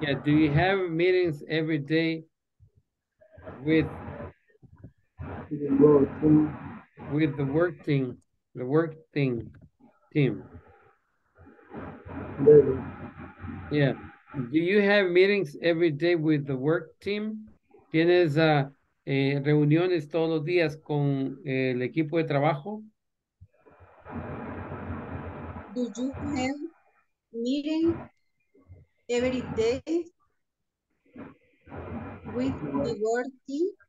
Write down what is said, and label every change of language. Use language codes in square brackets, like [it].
[en] Yeah, do you have meetings every day with the work team, the work thing team? Yeah. Do you have meetings every day with the work team? [es] ¿Tienes reuniones todos los días con el equipo de trabajo? [en] Do you have meetings every day with the work team?